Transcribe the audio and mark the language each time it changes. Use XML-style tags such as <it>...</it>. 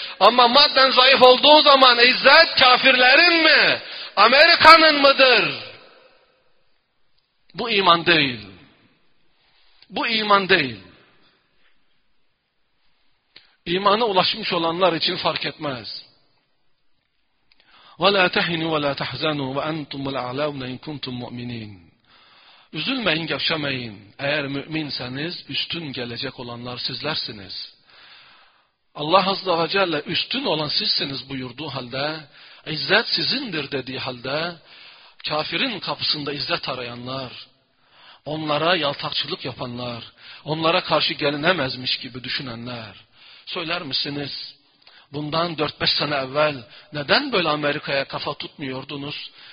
<tr>Ama madden zayıf olduğun zaman izzet kafirlerin mi? Amerika'nın mıdır? Bu iman değil. Bu iman değil. İmana ulaşmış olanlar için fark etmez.</tr> <ar>وَلَا تَحِنُوا وَلَا تَحْزَنُوا وَاَنْتُمُ الْاَعْلَوْنَ اِنْ كُنْتُمْ مُؤْمِنِينَ</ar> <tr>Üzülmeyin, gevşemeyin. Eğer müminseniz, üstün gelecek olanlar sizlersiniz. Allah Azze ve Celle üstün olan sizsiniz buyurduğu halde, İzzet sizindir dediği halde, kafirin kapısında izzet arayanlar, onlara yaltakçılık yapanlar, onlara karşı gelinemezmiş gibi düşünenler, söyler misiniz, bundan 4-5 sene evvel neden böyle Amerika'ya kafa tutmuyordunuz?</tr>